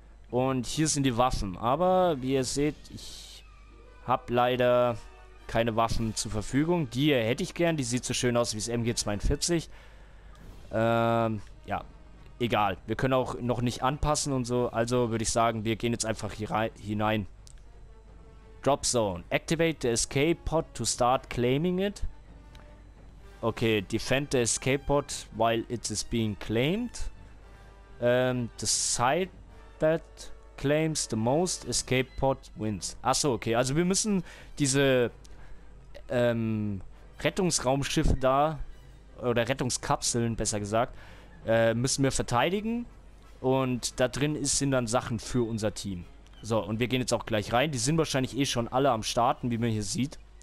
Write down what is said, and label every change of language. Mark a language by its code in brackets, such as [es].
[de] Und hier sind die Waffen. Aber, wie ihr seht, ich habe leider keine Waffen zur Verfügung. Die hier hätte ich gern, die sieht so schön aus wie das MG42. Ja. Egal. Wir können auch noch nicht anpassen und so. Also würde ich sagen, wir gehen jetzt einfach hier hinein. [en] Drop Zone. Activate the escape pod to start claiming it. Okay, defend the escape pod while it is being claimed. The side that claims the most escape pod wins. [de] Achso, okay. Also wir müssen diese Rettungsraumschiffe da oder Rettungskapseln, besser gesagt, müssen wir verteidigen. Und da drin sind dann Sachen für unser Team. So, und wir gehen jetzt auch gleich rein. Die sind wahrscheinlich eh schon alle am Starten, wie man hier sieht.